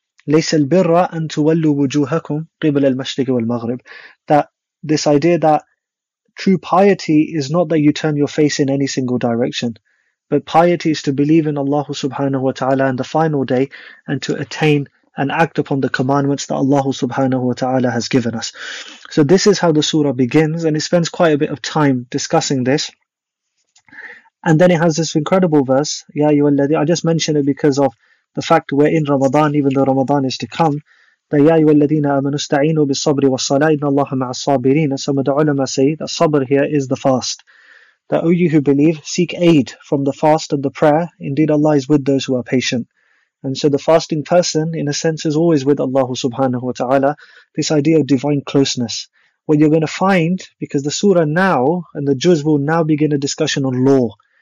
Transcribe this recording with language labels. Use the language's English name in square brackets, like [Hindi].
[Arabic] لَيْسَ الْبِرَّ أَن تُوَلُّوا وُجُوهَكُمْ قِبَلَ الْمَشْرِقِ وَالْمَغْرِبِ [English] That this idea that true piety is not that you turn your face in any single direction, but piety is to believe in Allah subhanahu wa ta'ala and the final day, and to attain and act upon the commandments that Allah subhanahu wa ta'ala has given us. So this is how the surah begins, and it spends quite a bit of time discussing this. And then it has this incredible verse, Ya ayyuhalladhi, I just mention it because of the fact we're in Ramadan, even though Ramadan is to come. [Arabic] يا أيها الذين آمنوا استعينوا بالصبر والصلاة إن الله مع الصابرين. [English] Some of the ulama say that sabr here is the fast. That O you who believe, seek aid from the fast and the prayer. Indeed, Allah is with those who are patient. And so the fasting person, in a sense, is always with Allah subhanahu wa ta'ala. This idea of divine closeness. What you're going to find, because the surah now and the juz will now begin a discussion on law.